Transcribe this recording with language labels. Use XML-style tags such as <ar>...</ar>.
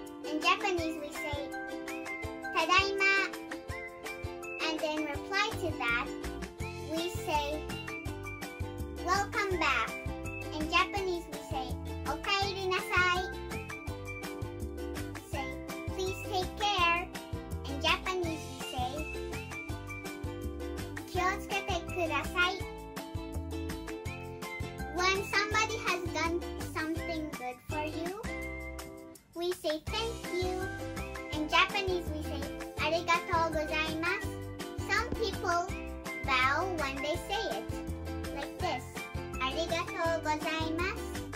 <en>In Japanese, we say,</en> <ja>ただいま.</ja> <en>And in reply to that, we say, welcome back. In Japanese, we say,</en> <ja>おかえりなさい.</ja> <en>Say, please take care. In Japanese, we say,</en> <ja>気をつけてください.</ja> <en>When somebody has done something good for you, we say thank you. In Japanese, we say</en> <ja>arigatou gozaimasu.</ja> <en>Some people bow when they say it, like this,</en> <ja>arigatou gozaimasu.</ja>